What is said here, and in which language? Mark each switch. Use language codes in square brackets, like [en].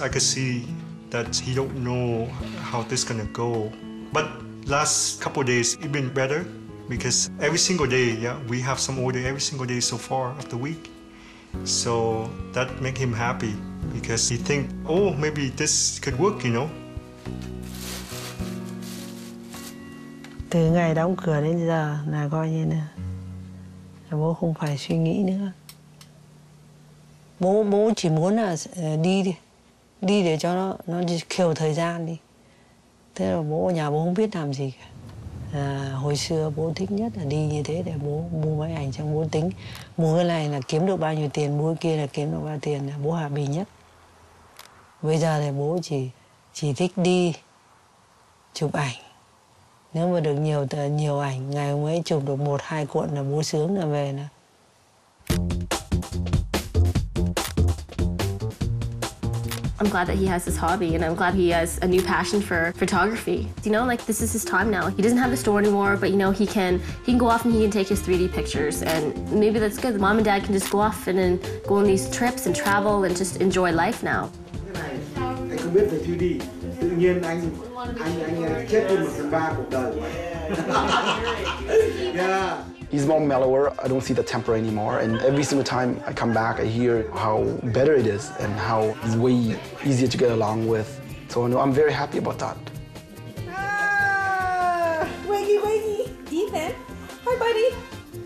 [en] I could see that he don't know how this gonna go. But last couple of days it been better. Because every single day, yeah, we have some order every single day so far of the week. So that make him happy because he think, oh, maybe this could work, you know. [vi] Từ ngày đóng cửa đến giờ là coi như là bố không phải suy nghĩ nữa. Bố chỉ muốn là đi để cho nó kiểu thời gian đi. Thế là bố nhà bố không biết làm gì cả. À, hồi xưa bố thích nhất là đi như thế để bố mua máy ảnh cho bố tính. Mua cái này là kiếm được bao nhiêu tiền, mua cái kia là kiếm được bao nhiêu tiền, là bố hạ bì nhất. Bây giờ thì bố chỉ thích đi chụp ảnh. Nếu mà được nhiều ảnh, ngày hôm ấy chụp được 1-2 cuộn là bố sướng là về nè. [en] I'm glad that he has this hobby and I'm glad he has a new passion for photography. You know, like this is his time now. He doesn't have a store anymore, but you know, he can go off and he can take his 3D pictures and maybe that's good. Mom and dad can just go off and then go on these trips and travel and just enjoy life now. [vi] Anh không biết về 3D. Tự nhiên anh chết đi 1/3 cuộc đời. [en] He's more mellower, I don't see the temper anymore, and every single time I come back, I hear how better it is and how it's way easier to get along with. So I'm very happy about that. Wakey, wakey. Ethan, hi buddy.